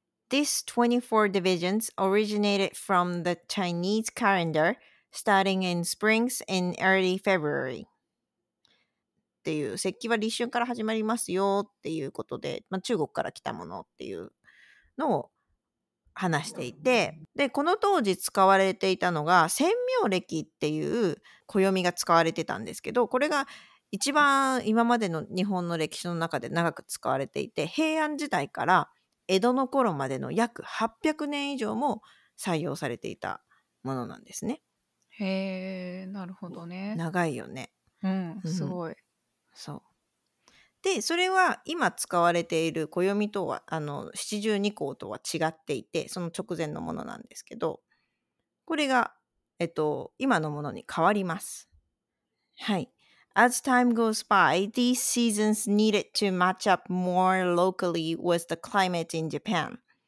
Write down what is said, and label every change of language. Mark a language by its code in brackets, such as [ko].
[en] These 24 divisions originated from the Chinese calendar starting in springs in early February. [ja] っていう、節気は立春から始まりますよっていうことで、まあ、中国から来たものっていうのを話していて、でこの当時使われていたのが千妙暦っていう暦が使われてたんですけど、これが一番今までの日本の歴史の中で長く使われていて、平安時代から江戸の頃までの約800年以上も採用されていたものなんですね。へえ、なるほどね。長いよね。うん、すごい。そう。で、それは今使われている暦とは、七十二候とは違っていて、その直前のものなんですけど、これが、今のものに変わります。はい。 [en] As time goes by, these seasons needed to match up more locally with the climate in Japan.